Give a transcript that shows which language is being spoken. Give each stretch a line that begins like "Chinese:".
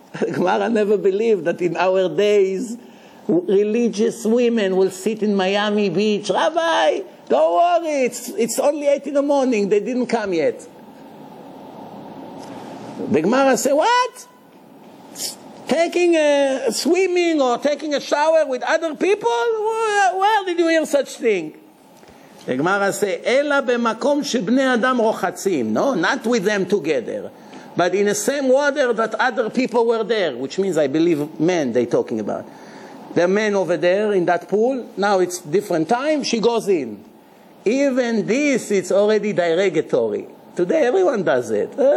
English: The Gemara never believed that in our days religious women will sit in Miami Beach. Rabbi, don't worry, it's only 8 in the morning, they didn't come yet. The Gemara say, what? Taking a swimming or taking a shower with other people? Where did you hear such thing? The Gemara say,
Hebrew: אלא במקום שבני אדם רוחצים.
English: No, not with them together. But in the same water that other people were there, which means I believe men they're talking about. The men over there in that pool, now it's different time, she goes in. Even this, it's already derogatory. Today everyone does it.